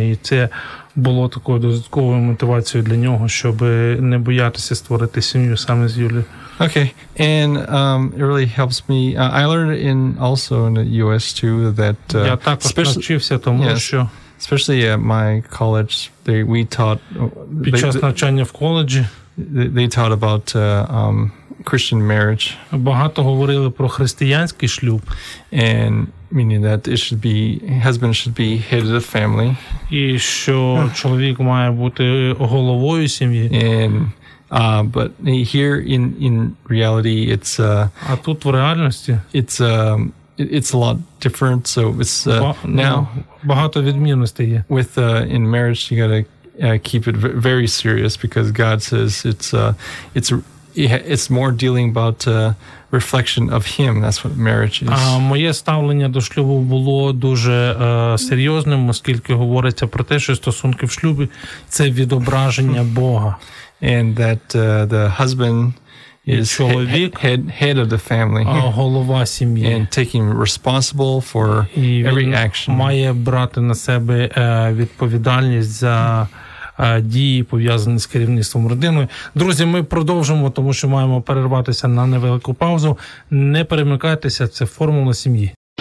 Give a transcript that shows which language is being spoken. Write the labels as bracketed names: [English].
[Ukrainian] І це було такою додатковою мотивацією для нього, щоб не боятися створити сім'ю саме з Юлією. [English] Okay, and it really helps me. I learned in also in the US too that... [Ukrainian] Я також навчився тому, [English] yes, [Ukrainian] що... [English] Especially at my college, we taught... [Ukrainian] Під час навчання в коледжі... [English] They taught about Christian marriage. [Ukrainian] Багато говорили про християнський шлюб. [English] And meaning that it should be husband should be head of the family. [Ukrainian] І що чоловік має бути головою сім'ї. [English] And But here in reality, it's [Ukrainian] а тут в реальності [English] it's a lot different. So it's now [Ukrainian] багато відмінностей є. [English] With in marriage, you gotta keep it very serious because God says it's more dealing about reflection of Him. That's what marriage is. [Ukrainian] А моє ставлення до шлюбу було дуже серйозним, оскільки говориться про те, що стосунки в шлюбі це відображення Бога. [English] And that the husband is head of the family, [Ukrainian] голова сім'ї, [English] and taking responsible for every action. [Ukrainian] Має брати на себе відповідальність за дії, пов'язані з керівництвом родиною. Друзі, ми продовжимо, тому що маємо перерватися на невелику паузу. Не перемикайтеся, це формула сім'ї.